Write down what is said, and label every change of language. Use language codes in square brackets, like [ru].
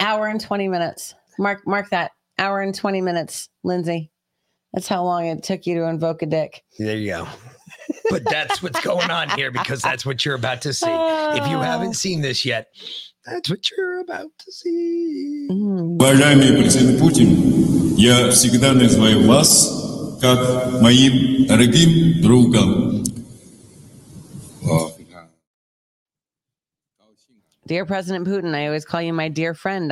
[en] Hour and 20 minutes. Mark that. Hour and 20 minutes, Lindsay. That's how long it took you to invoke a dick. There you go. But that's what's going on here, because that's what you're about to see. If you haven't seen this yet, that's what you're about to see. [ru] Уважаемый президент Путин, я всегда называю вас как моим дорогим другом. [en] Dear President Putin, I always call you my dear friend.